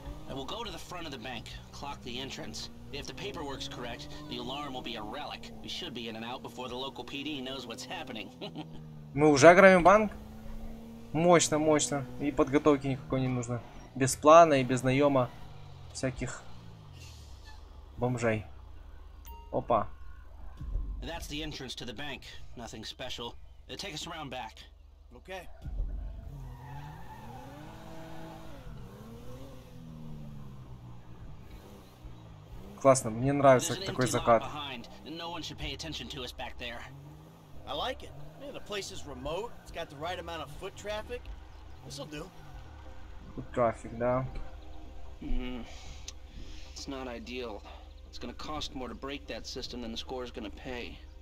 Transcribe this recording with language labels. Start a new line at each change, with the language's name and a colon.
English: I will go to the front of the bank, clock the entrance. If the paperwork's correct, the alarm will be a relic. We should be in and out before the local PD knows what's happening.
Russian: Мы уже ограбим банк? Мощно, мощно. И подготовки никакой не нужно. Без плана и без наема всяких бомжей. Опа.
English: That's the entrance to the bank. Nothing special. Take us around back. Okay.
Russian: Классно, мне нравится такой закат.
English: No one should pay attention to us back there. I like it. Yeah, the place is remote. It's got the right amount of foot traffic. This'll do. Foot traffic,
Russian: да.
English: It's not ideal. It's gonna cost more to break that system than the score is gonna pay.